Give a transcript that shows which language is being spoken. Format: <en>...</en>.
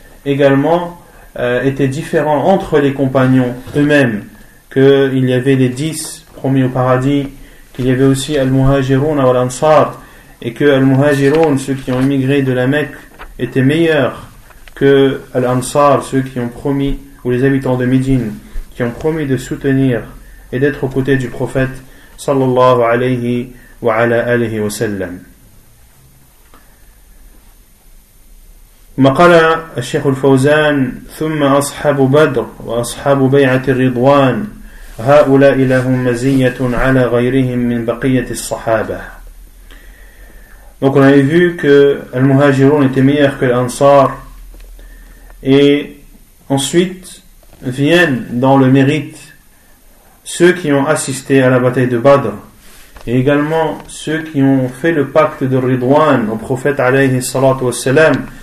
<fr>également était différent entre les compagnons eux-mêmes, qu'il y avait les 10 promis au paradis, qu'il y avait aussi Al-Muhajiroun à Al-Ansar, et que Al-Muhajiroun, ceux qui ont immigré de la Mecque, étaient meilleurs que Al-Ansar, ceux qui ont promis, ou les habitants de Médine, qui ont promis de soutenir et d'être aux côtés du prophète sallallahu alayhi wa ala alihi wa sallam.</fr> <ar>مقال الشيخ الفوزان ثم أصحاب بدر وأصحاب بيعة الرضوان هؤلاء لهم مزية على غيرهم من بقية الصحابة.</ar> <fr>Donc on avait vu que les muhajirun étaient meilleurs que l'ansar, et ensuite viennent dans le mérite ceux qui ont assisté à la bataille de Badr, et également ceux qui ont fait le pacte de Ridwan au prophète alayhi salatu wassalam.</fr>